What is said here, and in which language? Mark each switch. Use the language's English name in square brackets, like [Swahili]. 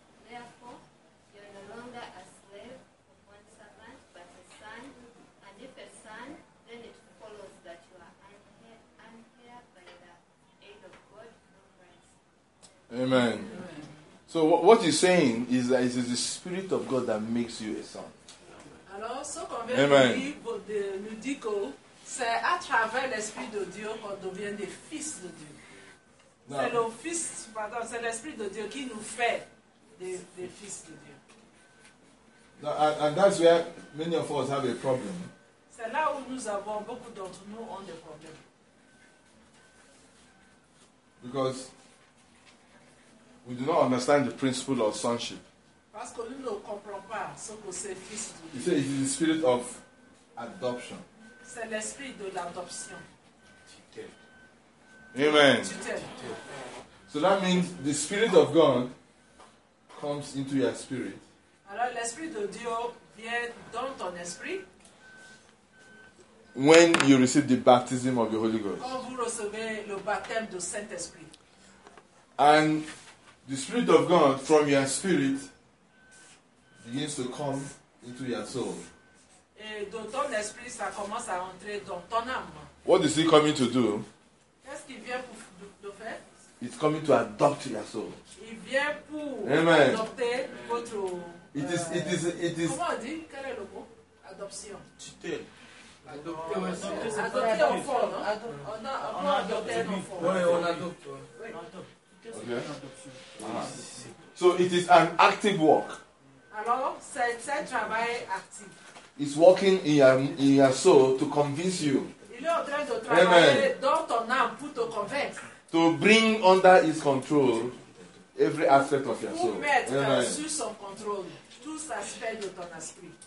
[English] Therefore, you are no longer a slave of one servant, but a son. And if a son, then it follows that you are unheir by the aid of God through Christ. Amen. Amen. So what he's saying is that it is the Spirit of God that makes you a son. [French] Alors, ce qu'on vient de dire, nous dit que c'est à travers l'Esprit de Dieu qu'on devient des fils de Dieu. Now, c'est le fils, pardon, c'est l'Esprit de Dieu qui nous fait des fils de Dieu. [English] Now, and that's where many of us have a problem. [French] C'est là où nous avons, beaucoup d'entre nous ont des problèmes. [English] Because we do not understand the principle of sonship. [French] Parce que nous ne comprenons pas ce que c'est fils de Dieu. [English] He said it is the spirit of adoption. [French] C'est l'esprit de l'adoption. Amen. [English] So that means the Spirit of God comes into your spirit. [French] Alors l'esprit de Dieu vient dans ton esprit. [English] When you receive the baptism of the Holy Ghost. [French] Quand vous recevez le baptême du Saint-Esprit. [English] And the Spirit of God from your spirit begins to come into your soul. [French] Et de ton esprit, ça commence à entrer dans ton âme. [English] What is he coming to do? [French] Qu'est-ce qu'il vient pour de faire? [English] It's coming to adopt your soul. [French] Il vient pour Amen. Adopter votre. [English] It is. [French] Comment on dit? Quel est le mot? Adoption. Tutelle. Adopter enfant, non? On a adopté un enfant. Oui, on adopte. [English] Okay. So it is an active work. [French] Alors, c'est travail actif. [English] It's working in your soul to convince you. [French] Il est en train de travailler Amen. Dans ton âme pour te convaincre. [English] To bring under his control every aspect of your soul. [French] Pour mettre Amen. Sous son contrôle tous aspects de ton esprit.